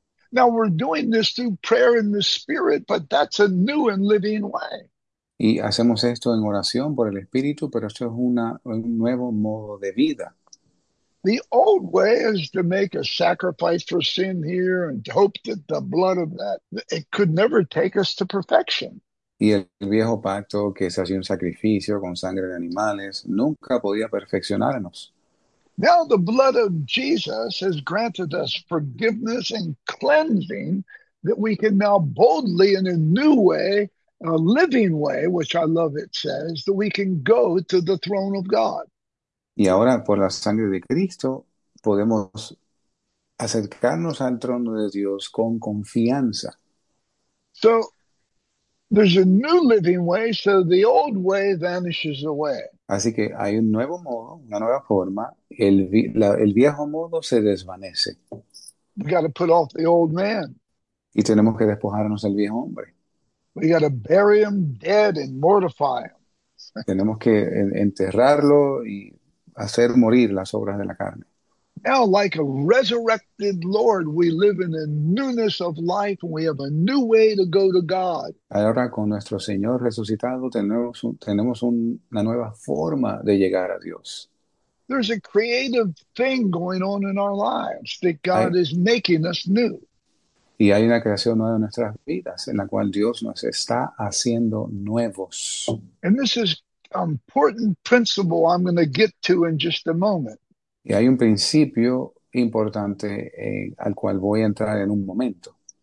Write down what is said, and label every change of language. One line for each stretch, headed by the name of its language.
English: Now we're doing this through prayer in the spirit, but that's a new and living way.
Spanish: Y hacemos esto en oración por el Espíritu, pero esto es un nuevo modo de vida.
English: The old way is to make a sacrifice for sin here and hope that the blood of that, it could never take us to perfection.
Spanish: Y el viejo pacto que se hacía un sacrificio con sangre de animales nunca podía perfeccionarnos.
English: Now the blood of Jesus has granted us forgiveness and cleansing that we can now boldly in a new way, a living way, which I love it says, that we can go to the throne of God.
Spanish: Y ahora, por la sangre de Cristo, podemos acercarnos al trono de Dios con confianza.
English: So there's a new living way, so the old way vanishes away.
Spanish: Así que hay un nuevo modo, una nueva forma. El viejo modo se desvanece.
English: We got to put off the old man.
Spanish: Y tenemos que despojarnos del viejo hombre.
English: We got to bury him dead and mortify him.
Spanish: Tenemos que enterrarlo y hacer morir las obras de la carne.
English: Now, like a resurrected Lord, we live in a newness of life and we have a new way to go to God.
Spanish: Ahora con nuestro Señor resucitado tenemos una nueva forma de llegar a Dios.
English: There's a creative thing going on in our lives that God
Spanish: Hay,
English: is making us new.
Spanish: y hay una creación nueva en nuestras vidas en la cual Dios nos está haciendo nuevos.
English: And this is an important principle I'm going to get to in just a moment.
Spanish: Y hay un principio importante al cual voy a entrar en un momento.